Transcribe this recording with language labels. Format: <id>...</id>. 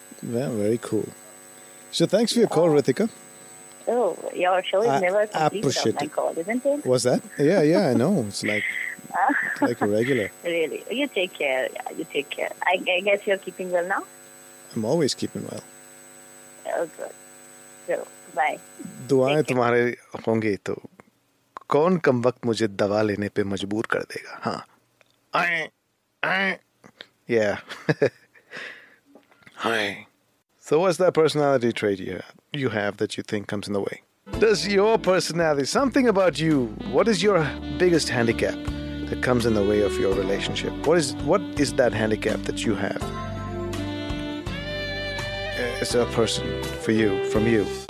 <en>Well, very cool. So thanks for your call, Ritika. Oh, your show is never complete without my call, isn't it? Was that? Yeah, I know. It's like like a regular. Really? You take care. I guess you're keeping well now? I'm always keeping well. Oh, good. So, bye.</en> <hi>दुआएं तुम्हारे होंगे तो कौन कम वक्त मुझे दवा लेने पे मजबूर कर देगा, हा?</hi> <en>Yeah. Hi. So what's that personality trait you have that you think comes in the way? Does your personality, something about you, what is your biggest handicap that comes in the way of your relationship? What is that handicap that you have as a person from you?</en>